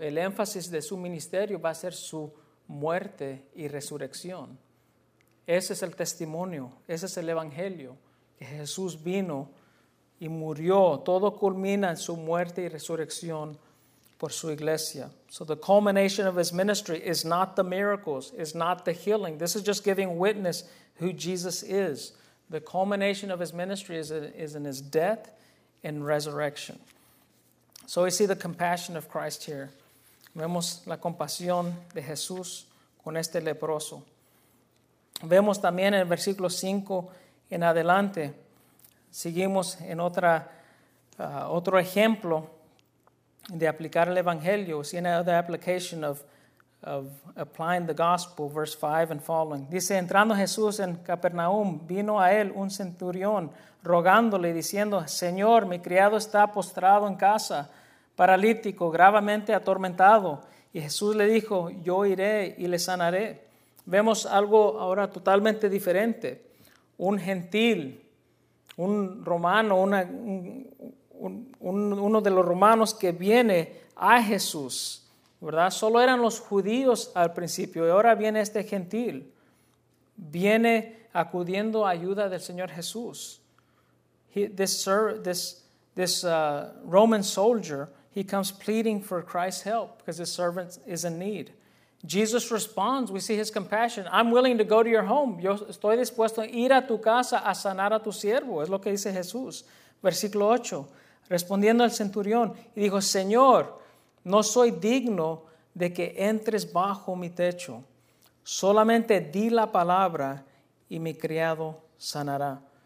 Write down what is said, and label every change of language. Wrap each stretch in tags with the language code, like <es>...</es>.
<es>El énfasis de su ministerio va a ser su muerte y resurrección. Ese es el testimonio, ese es el evangelio, que Jesús vino y murió. Todo culmina en su muerte y resurrección por su iglesia.</es> <en>So the culmination of his ministry is not the miracles, is not the healing. This is just giving witness who Jesus is. The culmination of his ministry is in his death and resurrection. So we see the compassion of Christ here.</en> <es>Vemos la compasión de Jesús con este leproso. Vemos también en el versículo 5 en adelante, seguimos en otro ejemplo de aplicar el evangelio.</es> <en>We see another application of applying the gospel, verse 5 and following.</en> <es>Dice, entrando Jesús en Capernaum, vino a él un centurión, rogándole, diciendo, Señor, mi criado está postrado en casa, paralítico, gravemente atormentado. Y Jesús le dijo, yo iré y le sanaré. Vemos algo ahora totalmente diferente. Un gentil, un romano, uno de los romanos que viene a Jesús, ¿verdad? Solo eran los judíos al principio y ahora viene este gentil. Viene acudiendo a ayuda del Señor Jesús.</es> <en>This Roman soldier, he comes pleading for Christ's help because his servant is in need. Jesus responds, we see his compassion. I'm willing to go to your home.</en> <es>Yo estoy dispuesto a ir a tu casa a sanar a tu siervo. Es lo que dice Jesús. Versículo 8, respondiendo al centurión, y dijo, Señor, no soy digno de que entres bajo mi techo. Solamente di la palabra y mi criado sanará.</es>